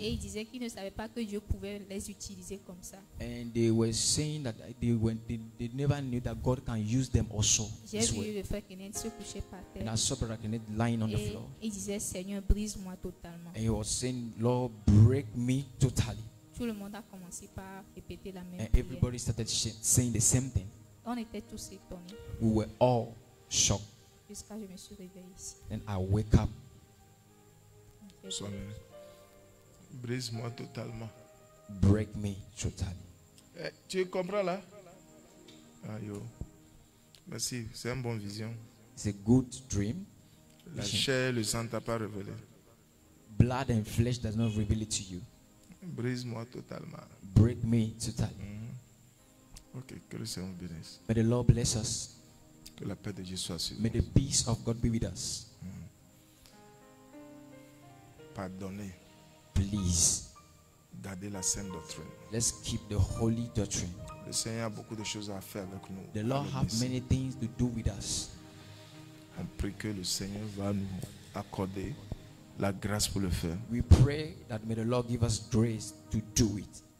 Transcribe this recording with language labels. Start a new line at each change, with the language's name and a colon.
French: Et ils disaient qu'ils ne savaient pas que Dieu pouvait les utiliser comme ça.
English: And they were saying that they never knew that God can use them also.
French: J'ai vu
English: way.
French: Le frère Kenneth se coucher par terre.
English: And I saw brother Kenneth lying on
French: et
English: the floor.
French: Et il disait, Seigneur, brise-moi totalement.
English: And he was saying, Lord, break me totally.
French: Tout le monde a commencé par répéter la même
English: and
French: prière.
English: And everybody started saying the same thing.
French: On était tous étonnés.
English: We were all shocked.
French: jusqu'à ce que je me suis réveillée ici.
English: And I wake up.
French: Soleil, brise-moi totalement.
English: Break me totally.
French: Tu comprends là? Ah yo. Merci, c'est une bonne vision.
English: It's a good dream.
French: La chair, le sang t'a pas révélé.
English: Blood and flesh does not reveal it to you.
French: Brise-moi totalement.
English: Break me totally. Mm-hmm.
French: Ok, que le Seigneur bénisse.
English: May the Lord bless us.
French: Que la paix de Dieu soit sur nous.
English: May the peace of God be with us.
French: Mm-hmm. Pardonnez.
English: Please.
French: Gardez la sainte doctrine.
English: Let's keep the holy doctrine.
French: Le Seigneur a beaucoup de choses à faire avec nous.
English: The Lord has many things to do with us.
French: On prie que le Seigneur va nous accorder la grâce pour le faire.
English: We pray that may the Lord give us grace to do it.